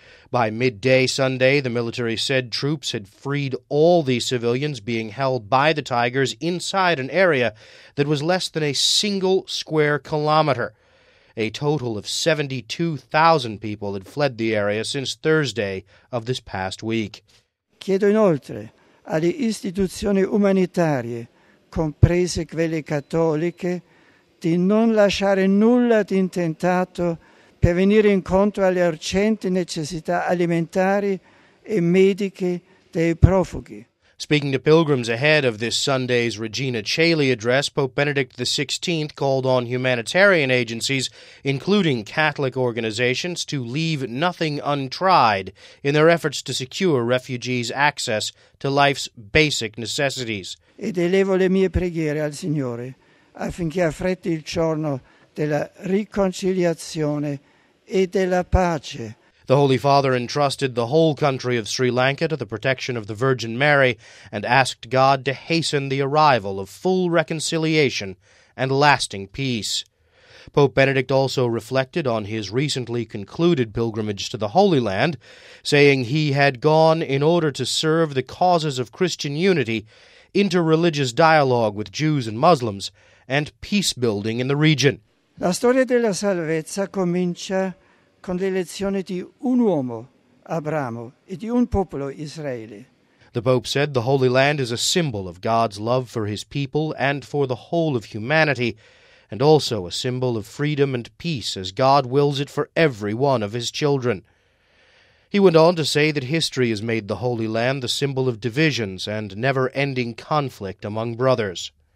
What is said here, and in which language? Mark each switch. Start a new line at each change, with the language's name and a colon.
English: By midday Sunday, the military said troops had freed all the civilians being held by the Tigers inside an area that was less than a single square kilometer. A total of 72,000 people had fled the area since Thursday of this past week.
Italian: Chiedo inoltre alle istituzioni umanitarie, comprese quelle cattoliche, di non lasciare nulla di intentato per venire incontro alle urgenti necessità alimentari e mediche dei profughi.
English: Speaking to pilgrims ahead of this Sunday's Regina Caeli address, Pope Benedict XVI called on humanitarian agencies, including Catholic organizations, to leave nothing untried in their efforts to secure refugees' access to life's basic necessities.
Italian: Ed elevo le mie preghiere al Signore affinché affretti il giorno della riconciliazione e della pace.
English: The Holy Father entrusted the whole country of Sri Lanka to the protection of the Virgin Mary and asked God to hasten the arrival of full reconciliation and lasting peace. Pope Benedict also reflected on his recently concluded pilgrimage to the Holy Land, saying he had gone in order to serve the causes of Christian unity, interreligious dialogue with Jews and Muslims, and peace building in the region.
Italian: La storia della salvezza comincia con l'elezione di un uomo, Abramo, e di un popolo, Israele.
English: The Pope said the Holy Land is a symbol of God's love for his people and for the whole of humanity, and also a symbol of freedom and peace as God wills it for every one of his children. He went on to say that history has made the Holy Land the symbol of divisions and never-ending conflict among brothers.